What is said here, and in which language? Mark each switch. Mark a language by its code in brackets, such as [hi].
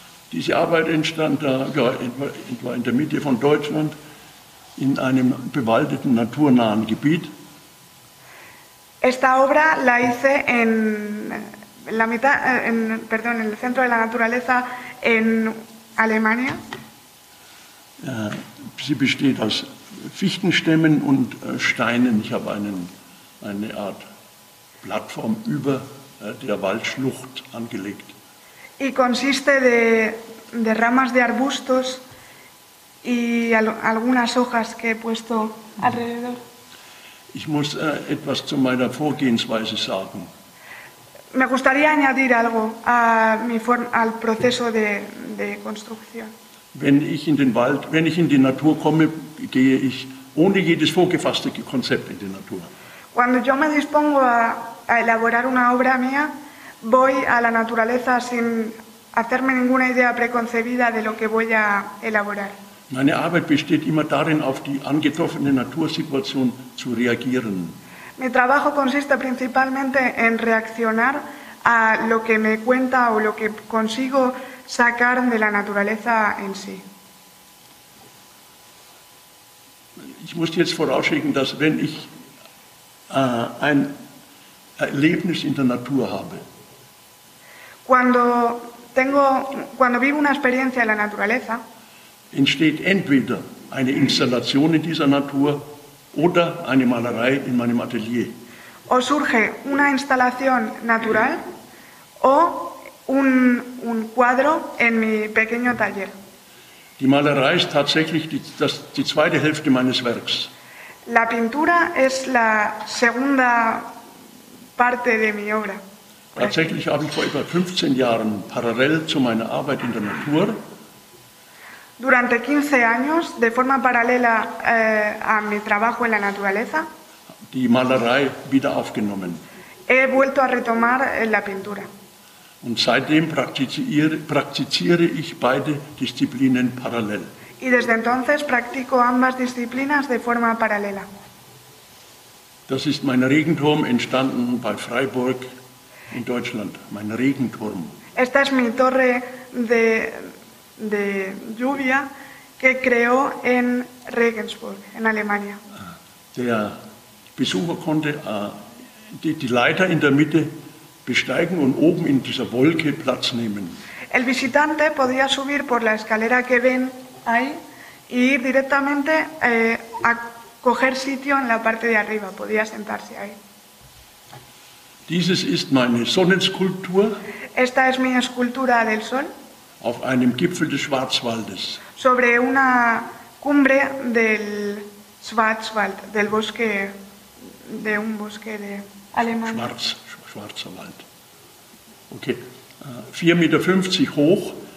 [de] Diese Arbeit entstand in der Mitte von Deutschland in einem bewaldeten naturnahen Gebiet. [es] Esta obra la hice en la mitad, en el centro de la naturaleza en Alemania. [de] Sie besteht aus Fichtenstämmen und Steinen. Ich habe eine Art Plattform über der Waldschlucht angelegt. [es] Y consiste de ramas de arbustos y algunas hojas que he puesto alrededor. [de] Ich muss etwas zu meiner Vorgehensweise sagen. [es] Me gustaría añadir algo al proceso de construcción. [de] Wenn ich in die Natur komme, gehe ich ohne jedes vorgefasste Konzept in die Natur. [es] Cuando yo me dispongo a elaborar una obra mía, voy a la naturaleza sin hacerme ninguna idea preconcebida de lo que voy a elaborar. [de] Meine Arbeit besteht immer darin, auf die angetroffene Natursituation zu reagieren. [es] Mi trabajo consiste principalmente en reaccionar a lo que me cuenta o lo que consigo sacar de la naturaleza en sí. [de] Ich muss jetzt vorausschicken, dass wenn ich ein Erlebnis in der Natur habe. [es] Cuando vivo una experiencia en la naturaleza, [de] entsteht entweder eine Installation in dieser Natur oder eine Malerei in meinem Atelier. [es] O surge una instalación natural o un cuadro en mi pequeño taller. [de] Die Malerei ist tatsächlich die zweite Hälfte meines Werks. [es] La pintura es la segunda parte de mi obra. [de] Tatsächlich habe ich vor etwa 15 Jahren parallel zu meiner Arbeit in der Natur [es] durante 15 años de forma paralela a mi trabajo en la naturaleza [de] die Malerei wieder aufgenommen. [es] He vuelto a retomar la pintura. [de] Und seitdem praktiziere ich beide Disziplinen parallel. [es] Y desde entonces practico ambas disciplinas de forma paralela. [de] Das ist mein Regenturm, entstanden bei Freiburg in Deutschland. Mein Regenturm. [es] Esta es mi torre de lluvia que creó en Regensburg, en Alemania. [de] Der Besucher konnte die Leiter in der Mitte besteigen und oben in dieser Wolke Platz nehmen. [es] El visitante podía subir por la escalera que ven ahí y ir directamente a coger sitio en la parte de arriba, podía sentarse ahí. [de] Dieses ist meine Sonnenskulptur. [es] Esta es mi escultura del sol. [de] Auf einem Gipfel des Schwarzwaldes. [es] Sobre una cumbre del Schwarzwald, del bosque, de un bosque de Alemania. [de] Schwarzwald. Okay, 4,50 Meter hoch.